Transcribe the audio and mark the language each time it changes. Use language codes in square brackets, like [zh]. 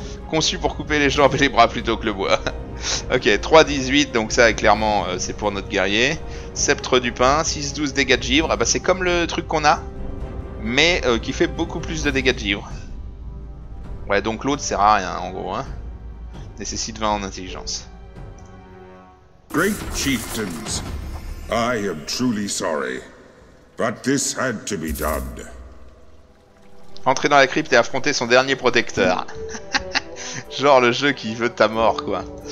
[fr] Conçue pour couper les jambes et les bras plutôt que le bois. Ok, 3-18. Donc ça, clairement, c'est pour notre guerrier. Sceptre du pain. 6-12 dégâts de givre. Ah bah, c'est comme le truc qu'on a, mais qui fait beaucoup plus de dégâts de givre. Ouais, donc l'autre sert à rien, en gros, hein. Nécessite 20 en intelligence. [en] Great chieftains, I am truly sorry, but this had to be done. [fr] Entrer dans la crypte et affronter son dernier protecteur. Genre le jeu qui veut ta mort, quoi.